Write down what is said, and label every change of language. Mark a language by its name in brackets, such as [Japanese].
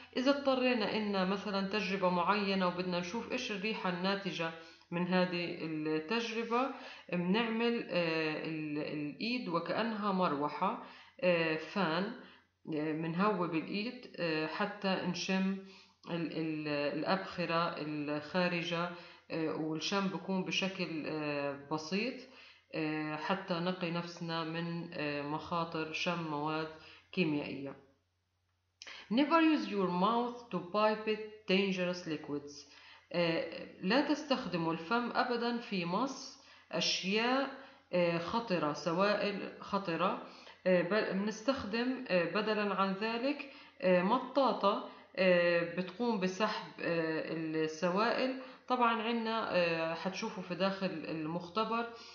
[Arabic] إذا اضطرينا إن مثلا تجربة معينة وبدنا نشوف إيش الريحة الناتجة من هذه التجربة، بنعمل الإيد وكأنها مروحة فان، منهوي بالإيد حتى نشم الأبخرة الخارجة، والشم بيكون بشكل بسيط حتى نقي نفسنا من مخاطر شم مواد كيميائية. [English] Never use your mouth to pipe dangerous liquids. [Arabic] لا تستخدموا الفم أبدا في مص أشياء خطرة، سوائل خطرة، بل نستخدم بدلا عن ذلك مطاطة بتقوم بسحب السوائل. طبعا عندنا حتشوفوا في داخل المختبر